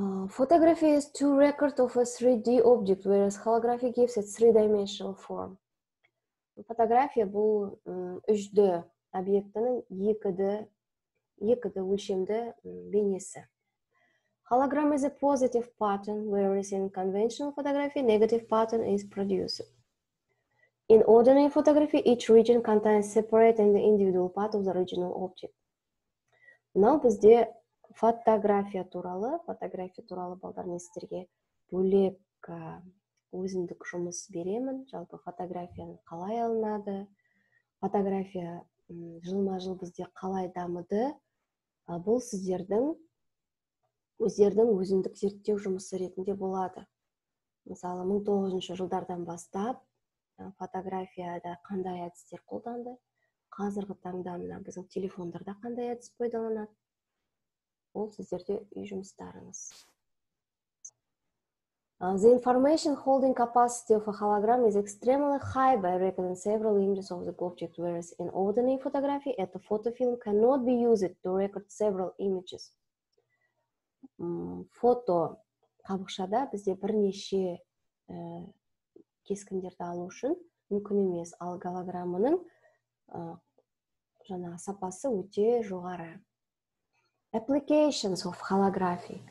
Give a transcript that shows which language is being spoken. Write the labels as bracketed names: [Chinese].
[English] Photography is to record of a 3D object, whereas holography gives it three-dimensional form. [Kazakh] Фотография бұл 3D объектінің 2D өлшемді бейнесі. [English] Hologram is a positive pattern, whereas in conventional photography, negative pattern is produced. In ordinary photography, each region contains separate and individual part of the original object. [Kazakh] Мынау бізде фотография туралы балдар, мен сіздерге бөлек өзіндік жұмыс беремін. Жалпы фотографияны қалай алынады, фотография жылма-жыл бізде қалай дамыды, бұл сіздердің өзіндік зерттеу жұмысы ретінде болады. Мысалы, 1900 жылдардан бастап фотографияда қандай әдістер қолданды, қазіргі таңда біздің телефондарда қандай әдіс пайдаланады, ол сіздерде үй жұмыстарыңыз. [English] The information holding capacity of a hologram is extremely high by recording several images of the object, whereas in ordinary photography, at the photo film cannot be used to record several images. [Kazakh] Фото қабықшада бізде бірнеше кескіндерді алу үшін мүмкін емес, ал голограмманың жаңа сапасы өте жоғары. [English] Applications of holography.